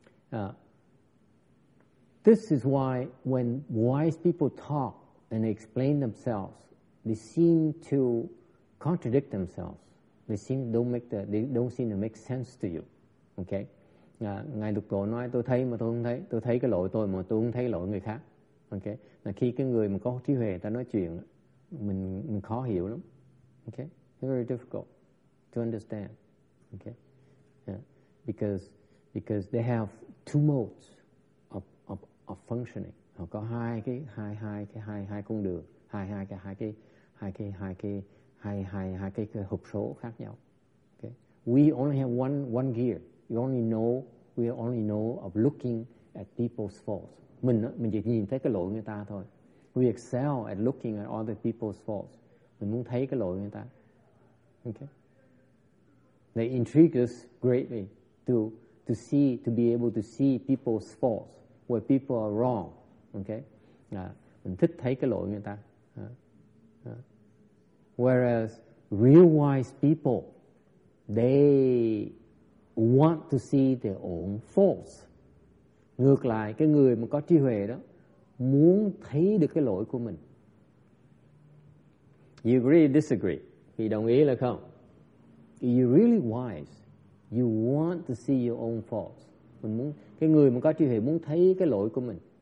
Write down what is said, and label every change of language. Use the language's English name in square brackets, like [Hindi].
[English] This is why when wise people talk and explain themselves, they seem to contradict themselves. They don't seem to make sense to you. Okay? [Vietnamese] Ngài Lục Tổ nói tôi thấy mà tôi không thấy, tôi thấy cái lỗi tôi mà tôi không thấy lỗi người khác. Ok, là khi cái người mà có trí huệ ta nói chuyện mình khó hiểu lắm. [English] Ok, it's very difficult to understand. Ok, yeah. because they have two modes of functioning. [Vietnamese] Họ có hai cái hộp số khác nhau. Ok, [English] we only have one gear. We only know of looking at people's faults. [Vietnamese] Mình chỉ nhìn thấy cái lỗi người ta thôi. [English] We excel at looking at other people's faults. [Vietnamese] Mình muốn thấy cái lỗi người ta. [English] Okay. They intrigue us greatly to be able to see people's faults, where people are wrong. Okay. [Vietnamese] Mình thích thấy cái lỗi người ta. [English] Whereas real wise people, they want to see their own faults. [Vietnamese] Ngược lại, cái người mà có trí huệ đó muốn thấy được cái lỗi của mình. [English] You agree or disagree? [Vietnamese] Thì đồng ý là không? [English] You really wise, you want to see your own faults. [Vietnamese] Mình muốn, cái người mà có trí huệ muốn thấy cái lỗi của mình.